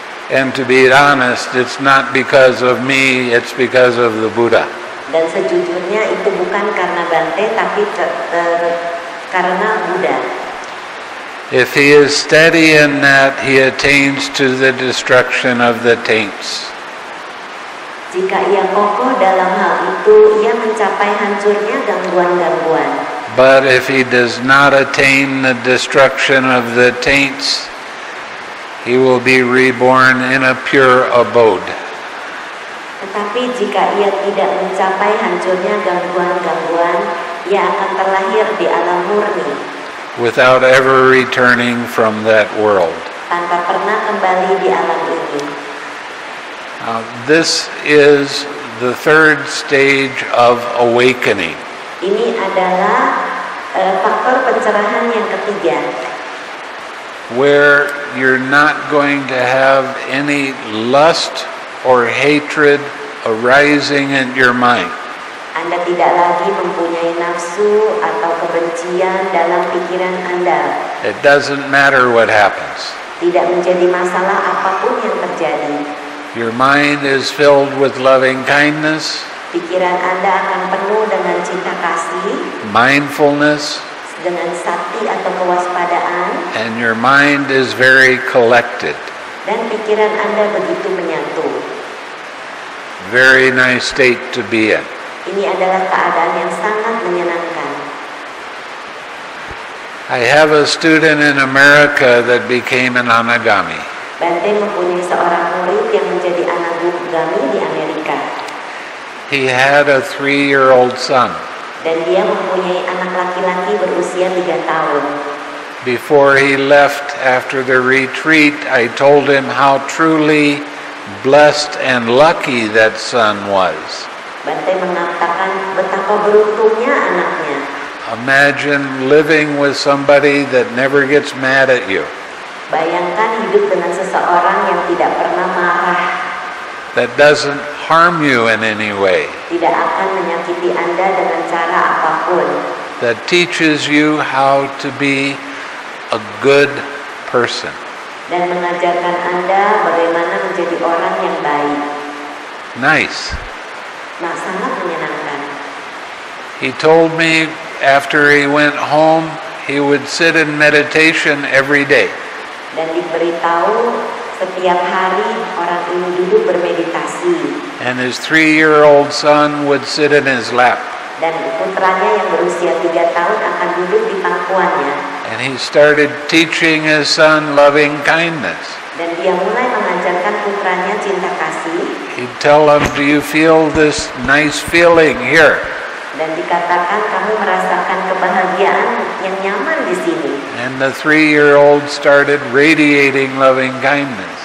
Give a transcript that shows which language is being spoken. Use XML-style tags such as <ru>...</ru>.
<en>And to be honest, it's not because of me, it's because of the Buddha.</en> <id>Dan sejujurnya itu bukan karena Bhante, tapi karena Buddha.</id> <en>If he is steady in that, he attains to the destruction of the taints.</en> <id>Jika ia kokoh dalam hal itu, ia mencapai hancurnya gangguan-gangguan.</id> <en>But if he does not attain the destruction of the taints, he will be reborn in a pure abode.</en> <id>Tetapi jika ia tidak mencapai hancurnya gangguan-gangguan, ia akan terlahir di alam murni.</id> <en>Without ever returning from that world.</en> <id>Tanpa pernah kembali di alam ini.</id> <en>Now, this is the third stage of awakening.</en> <id>Ini adalah faktor pencerahan yang ketiga.</id> <en>Where you're not going to have any lust or hatred arising in your mind.</en> <id>Anda tidak lagi mempunyai nafsu atau kebencian dalam pikiran Anda.</id> <en>It doesn't matter what happens.</en> <id>Tidak menjadi masalah apapun yang terjadi.</id> <en>Your mind is filled with loving kindness.</en> <id>Pikiran Anda akan penuh dengan cinta kasih.</id> <en>Mindfulness.</en> <id>Dengan sati atau kewaspadaan.</id> <en>And your mind is very collected.</en> <id>Dan pikiran Anda begitu menyatu.</id> <en>Very nice state to be in.</en> <id>Ini adalah keadaan yang sangat menyenangkan.</id> <en>I have a student in America that became an anagami.</en> <id>Bhante mempunyai seorang murid yang menjadi anagami di Amerika.</id> <en>He had a 3-year-old son.</en> <id>Dan dia mempunyai anak laki-laki berusia 3 tahun.</id> <en>Before he left after the retreat, I told him how truly blessed and lucky that son was.</en> <id>Bhante mengatakan betapa beruntungnya anaknya.</id> <en>Imagine living with somebody that never gets mad at you.</en> <id>Bayangkan hidup dengan seseorang yang tidak pernah marah.</id> <en>That doesn't harm you in any way.</en> <id>Tidak akan menyakiti Anda dengan cara apapun.</id> <en>That teaches you how to be a good person.</en> <id>Dan mengajarkan Anda bagaimana menjadi orang yang baik.</id> <en>Nice.</en> <id>Nah, sangat menyenangkan.</id> <en>He told me after he went home, he would sit in meditation every day.</en> <id>Dan diberitahu setiap hari orang ini duduk bermeditasi.</id> <en>And his 3-year-old son would sit in his lap.</en> <id>Dan putranya yang berusia 3 tahun akan duduk di pangkuannya.</id> <en>And he started teaching his son loving kindness.</en> <id>Dan dia mulai mengajarkan putranya cinta kasih.</id> <en>He'd tell him, "Do you feel this nice feeling here?"</en> <id>Dan dikatakan, "Kamu merasakan kebahagiaan yang nyaman di sini."</id> <en>And the 3-year-old started radiating loving kindness.</en>